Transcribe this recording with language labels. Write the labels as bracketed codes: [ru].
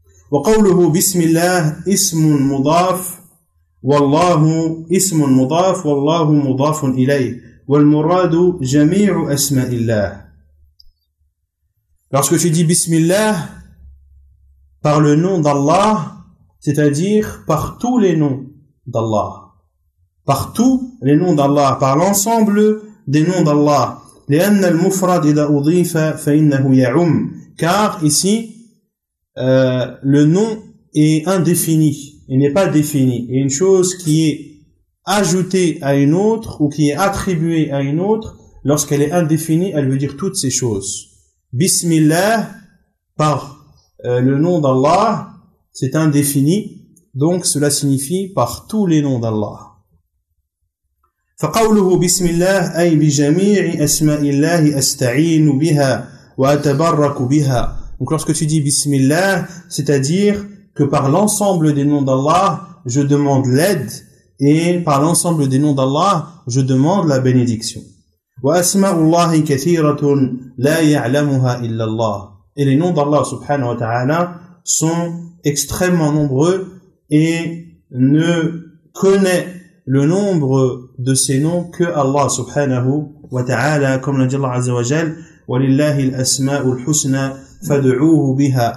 [ar] وَقَوْلُهُ بِسْمِ اللَّهِ إِسْمٌ مُضَافٌ وَاللَّهُ إِسْمٌ مُضَافٌ وَاللَّهُ مُضَافٌ إِلَيْهِ وَالْمُرَادُ جَمِيعُ أَسْمَاءِ اللَّهِ. [fr] Lorsque tu dis Bismillah par le nom d'Allah, c'est-à-dire par tous les noms d'Allah, par tous les noms d'Allah, par l'ensemble des noms d'Allah. [ar] لأن المفرد إذا أضيف فإنه يعم. [fr] Car ici, le nom est indéfini, il n'est pas défini. Et une chose qui est ajoutée à une autre ou qui est attribuée à une autre, lorsqu'elle est indéfinie, elle veut dire toutes ces choses. Bismillah, par le nom d'Allah, c'est indéfini. Donc cela signifie par tous les noms d'Allah. [ar] فقوله بسم الله أي بجميع أسماء الله أستعين بها وأتبرك بها. [fr] Donc lorsque tu dis Bismillah, c'est-à-dire que par l'ensemble des noms d'Allah, je demande l'aide, et par l'ensemble des noms d'Allah, je demande la bénédiction. [ar] وأسماء الله كثيرة لا يعلمها إلا الله. [fr] Et les noms d'Allah subhanahu wa ta'ala sont extrêmement nombreux et ne connaît le nombre de ces noms que Allah subhanahu wa ta'ala, comme l'a dit Allah azza wa jal, [ar] وَلِلَّهِ الْأَسْمَاءُ الْحُسْنَى فَدْعُوهُ بِهَا.